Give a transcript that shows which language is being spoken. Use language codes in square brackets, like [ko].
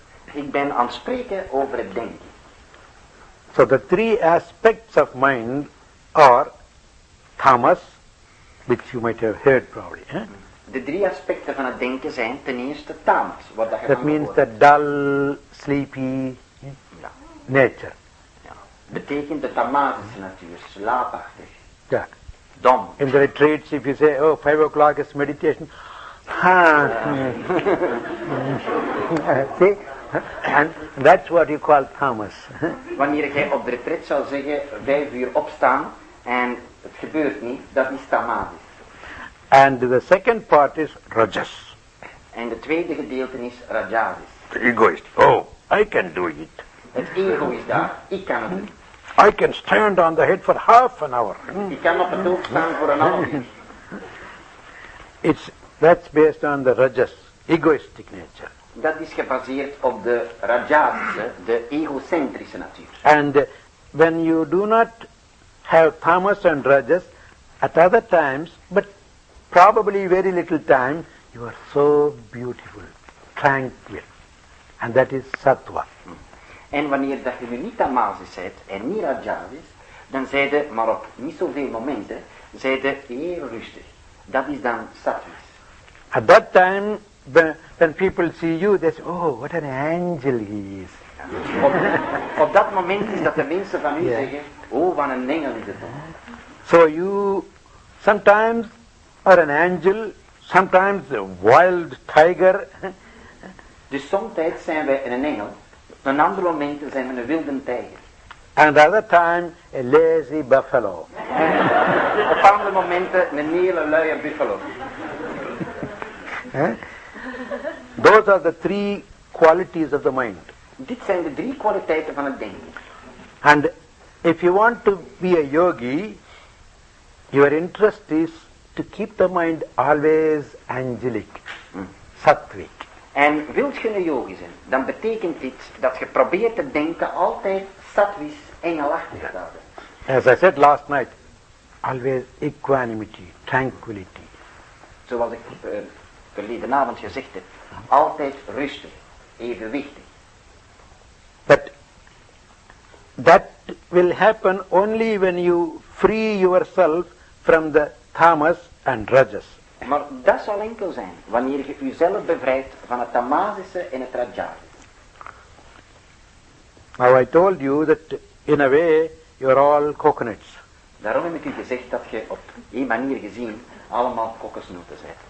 [nl] Ik ben aan het spreken over het denken. [en] So the three aspects of mind are tamas, which you might have heard probably. Eh? [nl] De drie aspecten van het denken zijn ten eerste tamas, wat dat je [en] That means the dull, sleepy nature. [nl] Ja. Betekent de tamasische natuur, slaapachtig. Ja. Dom. [en] In the retreats, if you say, oh, 5 o'clock is meditation. Ha! See? And that's what you call tamas. [nl] Wanneer jij op de retreat zou zeggen, 5 uur opstaan, en het gebeurt niet, dat is tamasisch. [en] And the second part is rajas. [nl] En de tweede gedeelte is rajasis. [en] The egoist. Oh, I can do it. [nl] Het ego is daar. Ik kan het doen. [en] I can stand on the head for half an hour. [nl] Ik kan op het hoofd staan voor een half uur. [en] That's based on the rajas, egoistic nature. [nl] Dat is gebaseerd op de rajasische, de egocentrische natuur. [en] And when you do not have tamas and rajas, At other times, but probably very little time, you are so beautiful, tranquil. And that is sattva. [nl] En wanneer dat je niet tamasis hebt en niet rajasis, dan zij de, maar op niet zoveel momenten, zij de heel rustig. Dat is dan sattvis. [en] At that time, when people see you, they say, oh, what an angel he is. [nl] Op dat moment is dat de mensen van u zeggen, oh, wat een engel is het. [en] So you sometimes are an angel, sometimes a wild tiger. [nl] Dus somtijds zijn we een engel, een ander moment zijn we een wilde tijger. [en] And other time a lazy buffalo. [nl] Op andere momenten een hele luie buffalo. [en] Those are the three qualities of the mind. [nl] Dit zijn de drie kwaliteiten van het denken. [en] And if you want to be a yogi, your interest is to keep the mind always angelic, sattvic. [nl] En wilt je een yogi zijn, dan betekent dit dat je probeert te denken altijd sattvisch, engelachtig te houden. [en] As I said last night, always equanimity, tranquility. [nl] Zoals ik verleden avond gezegd heb, altijd rustig, evenwichtig. [en] But that will happen only when you free yourself from the tamas and rajas. [nl] Maar dat zal enkel zijn wanneer je jezelf bevrijdt van het tamasische en het rajasische. [en] Now I told you that in a way you're all coconuts. [nl] Daarom heb ik u gezegd dat je op één manier gezien allemaal kokosnoten bent.